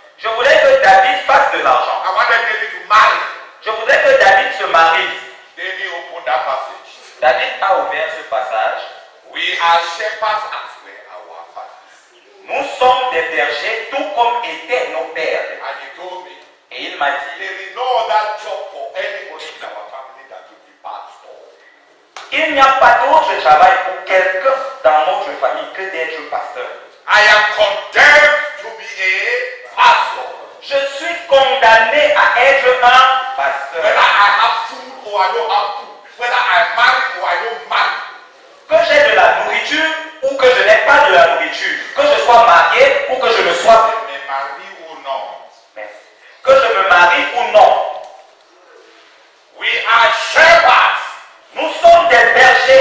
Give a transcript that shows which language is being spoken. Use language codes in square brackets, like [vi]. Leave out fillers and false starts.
[fr] Je voulais que David fasse de l'argent. [en] I wanted David to marry. [fr] Je voudrais que David se marie. [en] David opened that passage. [fr] David a ouvert ce passage. [en] We are shepherds as were our fathers. [fr] Nous sommes des bergers tout comme étaient nos pères. [en] And he told me. [fr] Et il m'a dit. [en] There is no other job for anybody in our family than to be pastor. [fr] Il n'y a pas d'autre travail pour quelqu'un dans notre famille que d'être pasteur. [en] I am condemned to be a pastor. [fr] Je suis condamné à être un pasteur. [en] Whether I have food or I don't have food. Whether I marry or I don't marry. [fr] Que j'ai de la nourriture ou que je n'ai pas de la nourriture. Que je sois marié ou que je ne sois pas. Mais marié ou non. Merci. Que je me marie ou non. [en] We are shepherds. [fr] Nous sommes des bergers.